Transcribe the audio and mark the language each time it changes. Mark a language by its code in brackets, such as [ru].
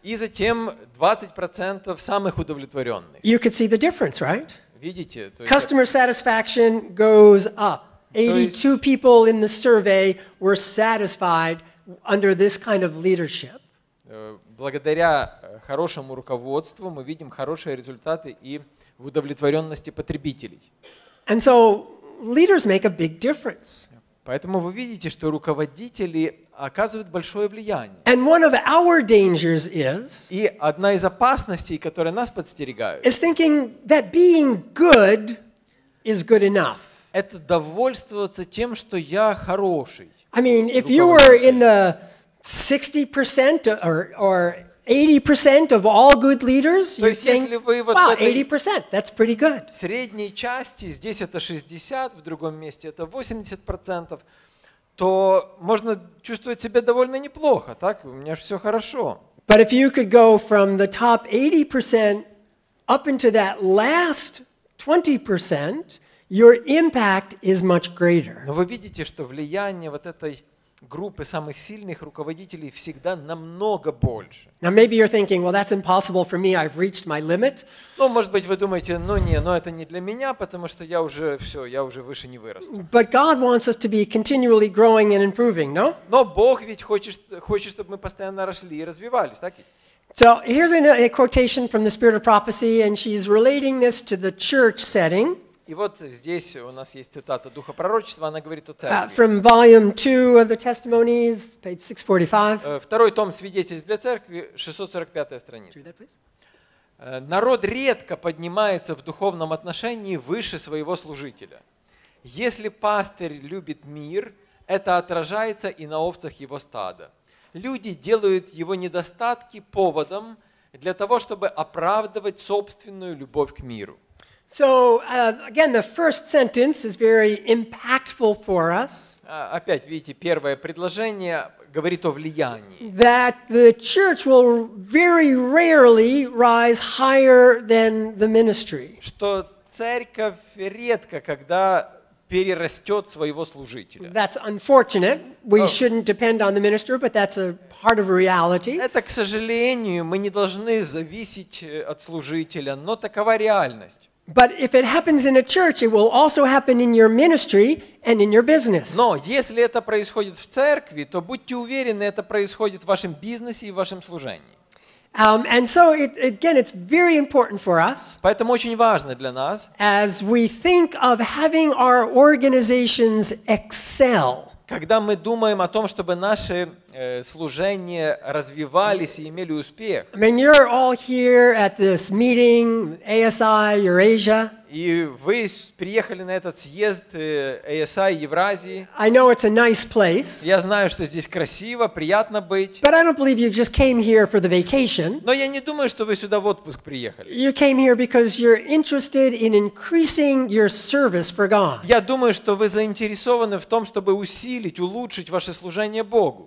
[ru] и затем 20% самых удовлетворенных. [en] You could see the difference, right? [ru] видите? [en] Customer satisfaction goes up. 82 people in the survey were satisfied under this kind of leadership. [ru] Благодаря хорошему руководству мы видим хорошие результаты и в удовлетворенности потребителей. [en] And so leaders make a big difference. [ru] Поэтому вы видите, что руководители оказывают большое влияние. [en] And one of our dangers is, [ru] и одна из опасностей, которая нас подстерегает, [en] is thinking that being good is good enough. [ru] Это довольствоваться тем, что я хороший. [en] I mean, if you were in the 60% or 80% of all good leaders, you think, wow, 80%, that's pretty good. [ru] В средней части, здесь это 60, в другом месте это 80%, то можно чувствовать себя довольно неплохо, так? У меня же все хорошо. [en] But if you could go from the top 80% up into that last 20%, your impact is much greater. [ru] Но вы видите, что влияние вот этой группы самых сильных руководителей всегда намного больше. [en] Now maybe you're thinking, well, that's impossible for me. I've reached my limit. [ru] Ну, может быть, вы думаете, ну не, но это не для меня, потому что я уже все, я уже выше не вырасту. [en] But God wants us to be continually growing and improving, no? [ru] Но Бог ведь хочет, чтобы мы постоянно росли и развивались, так? [en] So here's a quotation from the Spirit of Prophecy, and she's relating this to the church setting. [ru] И вот здесь у нас есть цитата Духа Пророчества, она говорит о церкви. [en] From volume 2 of the Testimonies, page 645. [ru] Второй том свидетельств для церкви, 645-я страница. [en] Read that, please. [ru] Народ редко поднимается в духовном отношении выше своего служителя. Если пастырь любит мир, это отражается и на овцах его стада. Люди делают его недостатки поводом для того, чтобы оправдывать собственную любовь к миру. [en] So again, the first sentence is very impactful for us. [ru] Опять видите, первое предложение говорит о влиянии. [en] That the church will very rarely rise higher than the ministry. [ru] Что церковь редко когда перерастет своего служителя. [en] That's unfortunate. We shouldn't depend on the minister, but that's a part of reality. [ru] Это, к сожалению, мы не должны зависеть от служителя, но такова реальность. [en] But if it happens in a church, it will also happen in your ministry and in your business. [ru] Но если это происходит в церкви, то будьте уверены, это происходит в вашем бизнесе и в вашем служении. [en] And so again, it's very important for us. [ru] Поэтому очень важно для нас. [en] As we think of having our organizations excel. [ru] Когда мы думаем о том, чтобы наши служения развивались и имели успех. [en] I mean, you're all here at this meeting, ASI, Eurasia. [ru] И вы приехали на этот съезд ASI Евразии. [en] I know it's a nice place. [ru] Я знаю, что здесь красиво, приятно быть. [en] But I don't believe you just came here for the vacation. [ru] Но я не думаю, что вы сюда в отпуск приехали. [en] You came here because you're interested in increasing your service for God. [ru] Я думаю, что вы заинтересованы в том, чтобы усилить, улучшить ваше служение Богу.